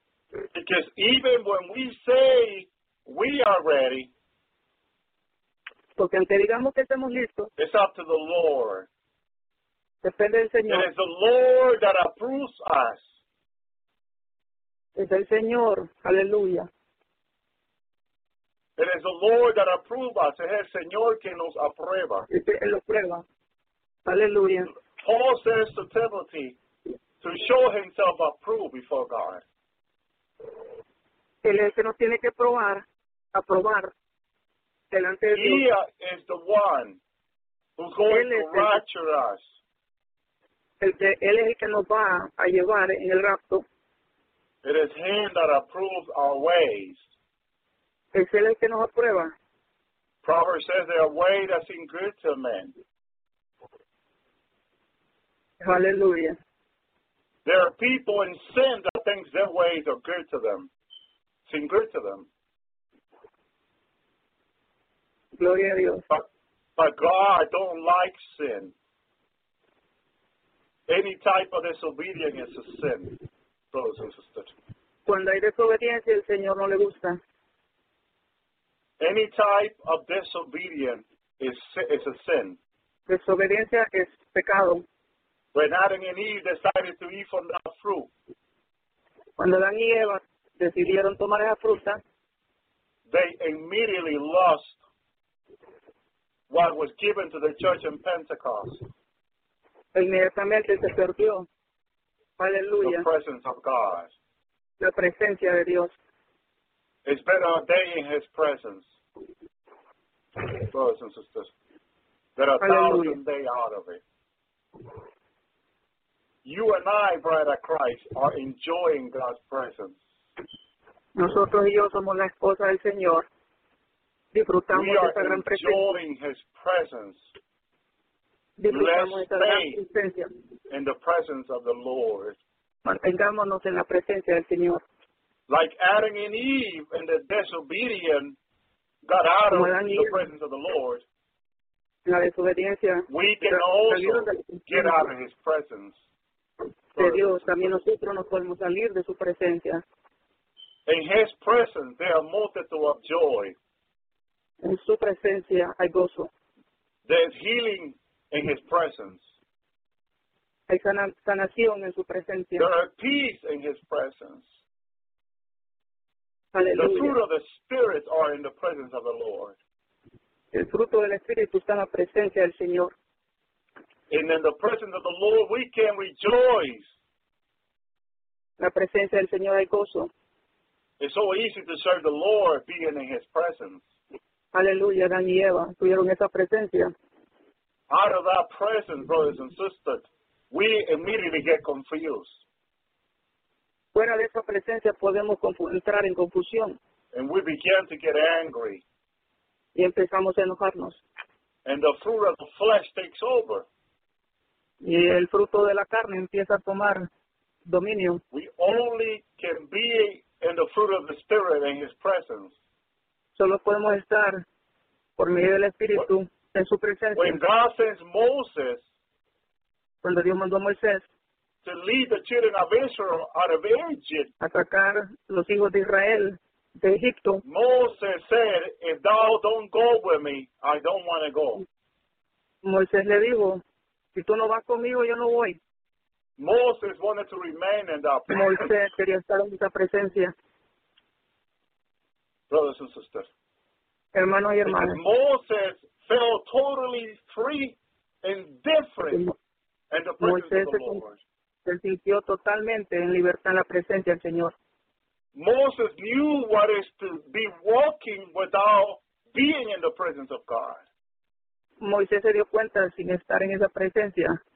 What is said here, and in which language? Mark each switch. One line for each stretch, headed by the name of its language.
English: Because even when we say we are ready,
Spanish: porque aunque digamos que estamos listos,
English: it's up to the Lord.
Spanish: Depende del Señor.
English: It is the Lord that approves us.
Spanish: Es el Señor. Aleluya.
English: It is the Lord that approves us.
Spanish: Es el Señor que nos aprueba. Él lo prueba. Aleluya.
English: Paul says to Timothy to show himself approved before God.
Spanish: Él es el que nos tiene que probar, aprobar.
English: He is the one who's going to rapture us.
Spanish: Él es el que nos va a llevar en el rapto.
English: It is Him that approves our ways.
Spanish: Es Él el que nos aprueba.
English: Proverbs says there are ways that seem good to men. Hallelujah. There are people in sin that think their ways are good to them. Seem good to them.
Spanish: Gloria a Dios.
English: But God don't like sin. Any type of disobedience is a sin, brothers and sisters.
Spanish: Cuando hay desobediencia, el Señor no le gusta.
English: Any type of disobedience is a sin.
Spanish: Desobediencia es pecado.
English: When Adam and Eve decided to eat from that fruit.
Spanish: Cuando Adán y Eva decidieron tomar esa fruta.
English: They immediately lost what was given to the church in Pentecost.
Spanish: Inmediatamente se perdió. Aleluya.
English: The presence of God.
Spanish: La presencia de Dios.
English: It's been ordained in His presence. Brothers and sisters. That a thousand days out of it. You and I, brother Christ, are enjoying God's presence.
Spanish: Nosotros y yo somos la esposa del Señor. Disfrutamos de esta gran presencia.
English: We are enjoying His presence. Let's stay in the presence of the Lord.
Spanish: Mantengámonos en la presencia del Señor.
English: Like Adam and Eve and the disobedient got out of the presence of the Lord.
Spanish: La desobediencia.
English: We can also get out of His presence.
Spanish: De Dios, también nosotros nos podemos salir de su presencia.
English: In His presence, there are multitude of joy.
Spanish: En su presencia hay gozo.
English: There's healing. In His presence.
Spanish: Hay sanación en su presencia.
English: There is peace in His presence. Hallelujah. The fruit of the Spirit are in the presence of the Lord.
Spanish: El fruto del Espíritu está en la presencia del Señor.
English: And in the presence of the Lord we can rejoice.
Spanish: La presencia del Señor hay gozo.
English: It's so easy to serve the Lord being in His presence.
Spanish: Aleluya, Adán y Eva tuvieron esa presencia.
English: Out of our presence, brothers and sisters, we immediately get confused.
Spanish: Fuera de esa presencia podemos entrar en confusión.
English: And we begin to get angry.
Spanish: Y empezamos a enojarnos.
English: And the fruit of the flesh takes over.
Spanish: Y el fruto de la carne empieza a tomar dominio.
English: We only can be in the fruit of the Spirit in His presence.
Spanish: Solo podemos estar por medio del Espíritu. En su presencia.
English: When God sends Moses,
Spanish: cuando Dios mandó a Moisés,
English: to lead the children of Israel out of Egypt,
Spanish: a sacar los hijos de Israel de Egipto,
English: Moses said, "If thou don't go with me, I don't want to go."
Spanish: Moisés le dijo, "Si tú no vas conmigo, yo no voy."
English: Moses wanted to remain in that presence.
Spanish: Moisés quería estar en esa presencia.
English: Brothers and sisters.
Spanish: Hermanos y hermanas.
English: Because Moses felt totally free and different in the presence
Spanish: Moisés
English: of the Lord.
Spanish: se sintió totalmente en libertad en la presencia del Señor.
English: Moses knew what it is to be walking without being in the presence of God.
Spanish: Moisés se dio cuenta sin estar en esa presencia.